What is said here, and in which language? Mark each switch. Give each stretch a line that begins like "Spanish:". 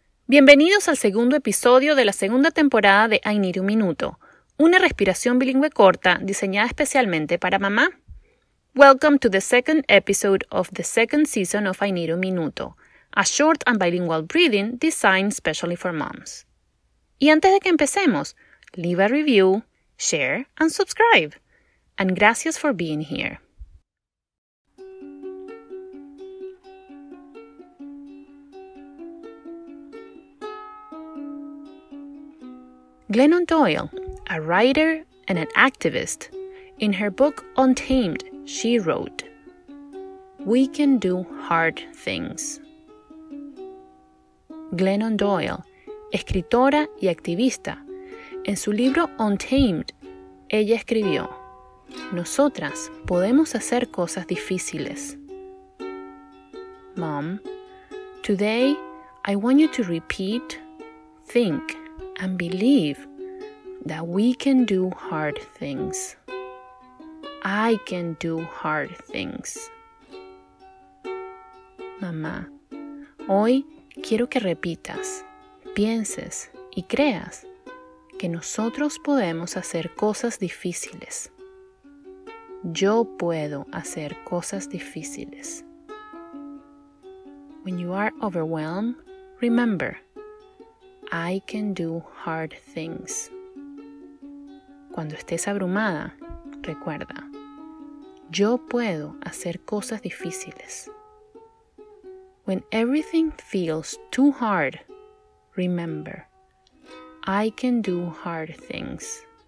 Spanish: Bienvenidos al segundo episodio de la segunda temporada de I Need Un Minuto, una respiración bilingüe corta diseñada especialmente para mamá.
English: Welcome to the second episode of the second season of I Need Un Minuto, a short and bilingual breathing designed specially for moms.
Spanish: Y antes de que empecemos,
English: leave a review, share, and subscribe. And gracias for being here. Glennon Doyle, a writer and an activist, in her book Untamed, she wrote, "We can do hard things."
Spanish: Glennon Doyle, escritora y activista, en su libro Untamed, ella escribió, "Nosotras podemos hacer cosas difíciles."
English: Mom, today I want you to repeat, think, and believe that we can do hard things. I can do hard things.
Spanish: Mamá, hoy quiero que repitas, pienses y creas que nosotros podemos hacer cosas difíciles. Yo puedo hacer cosas difíciles.
English: When you are overwhelmed, remember, I can do hard things.
Spanish: Cuando estés abrumada, recuerda, yo puedo hacer cosas difíciles.
English: When everything feels too hard, remember, I can do hard things.